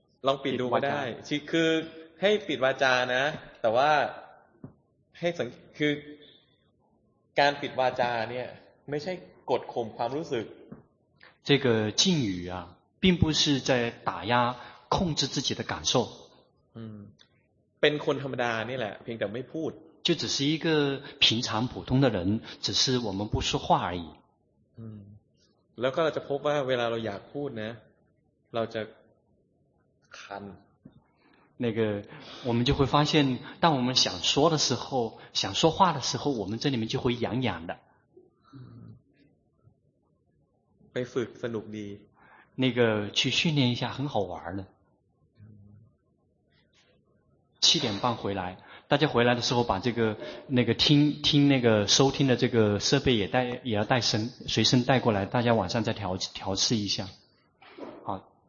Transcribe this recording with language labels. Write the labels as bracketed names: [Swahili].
[Thai] ลองปิดดูก็ได้คือให้ปิดวาจานะแต่ว่าให้สังคือการปิดวาจาเนี่ยไม่ใช่กดข่มความรู้สึก [Chinese] 这个禁语啊并不是在打压控制自己的感受 [Thai] เป็นคนธรรมดาเนี่ยแหละเพียงแต่ไม่พูด [Chinese] 就只是一个平常普通的人只是我们不说话而已 [Thai] แล้วก็เราจะพบว่าเวลาเราอยากพูดนะเราจะคัน [Chinese] 那个我们就会发现当我们想说的时候想说话的时候我们这里面就会痒痒的 [Thai] ไปฝึกสนุกดี [Chinese] 那个去训练一下很好玩的七点半回来大家回来的时候把这个那个听那个收听的这个设备也要带身随身带过来大家晚上再调试一下好